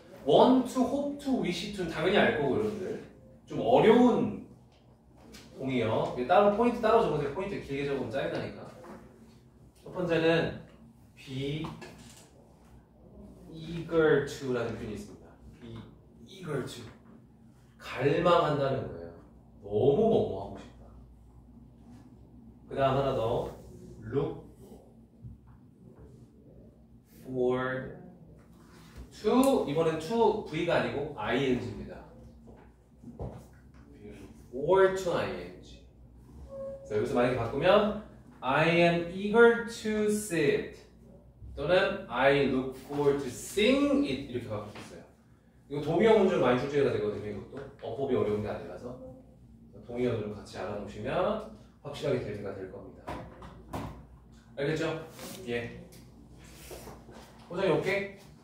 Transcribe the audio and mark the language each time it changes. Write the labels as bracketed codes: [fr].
[en] Want to, hope to, wish to [ko] 당연히 알 거고 여러분들 좀 어려운 동의어 따로 포인트 따로 적어주세요. 포인트 길게 적으면 짧다니까. 첫 번째는 be eager to라는 표현이 있습니다. be eager to 갈망한다는 거예요. 너무 뭐뭐 하고 싶다. 그 다음 하나 더 [en] look forward to, [ko] 이번엔 to v가 아니고 ing입니다. [en] or to ing. [ko] 그래서 여기서 만약에 바꾸면 [en] I am eager to see it [ko] 또는 [en] I look forward to seeing it [ko] 이렇게 바꿀 수 있어요. 이거 동의어 문제로 많이 출제가 되거든요. 이것도 어법이 어려운 게 아니라서 동의어들을 같이 알아놓으시면 확실하게 대비가 될 겁니다. 알겠죠? 예. 호정이 오케이?